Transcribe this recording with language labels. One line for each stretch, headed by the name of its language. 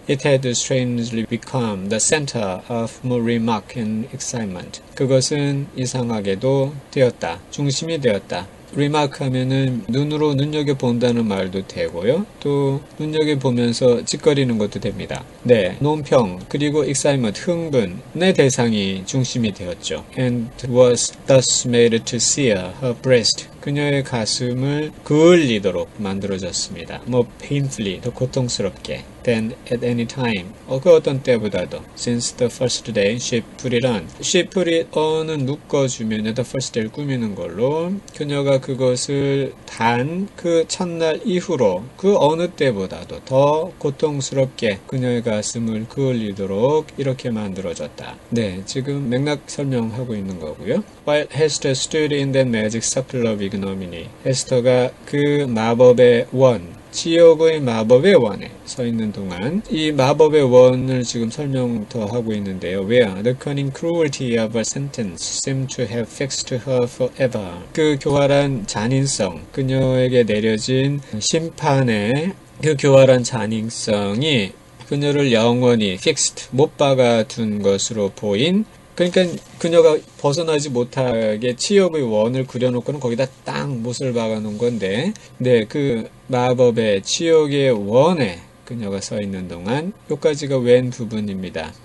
English: It had strangely become the center of more remark and excitement.
Korean: 그것은 이상하게도 되었다. 중심이 되었다. remark 하면은 눈으로 눈여겨본다는 말도 되고요. 또 눈여겨보면서 짓거리는 것도 됩니다. 네, 논평 그리고 excitement 흥분의 대상이 중심이 되었죠.
English: And was thus made to sear her breast.
Korean: 그녀의 가슴을 그을리도록 만들어졌습니다.
English: More painfully,
Korean: 더 고통스럽게.
English: Than at any time,
Korean: 그 어떤 때보다도.
English: Since the first day, she put it on. She put it on은
Korean: 묶어주면,
English: the first day를
Korean: 꾸미는 걸로. 그녀가 그것을 단그 첫날 이후로 그 어느 때보다도 더 고통스럽게 그녀의 가슴을 그을리도록 이렇게 만들어졌다. 네, 지금 맥락 설명하고 있는 거고요.
English: While Hester stood in that magic circle of ignominy,
Korean: 헤스터가 그 마법의 원, 지옥의 마법의 원에 서 있는 동안 이 마법의 원을 지금 설명 더 하고 있는데요.
English: Where the cunning cruelty of a sentence seemed to have fixed her forever.
Korean: 그 교활한 잔인성, 그녀에게 내려진 심판의 그 교활한 잔인성이 그녀를 영원히 fixed, 못 박아둔 것으로 보인 그러니까 그녀가 벗어나지 못하게 치욕의 원을 그려놓고는 거기다 딱 못을 박아놓은 건데, 네, 그 마법의 치욕의 원에 그녀가 서 있는 동안 여기까지가 웬 부분입니다.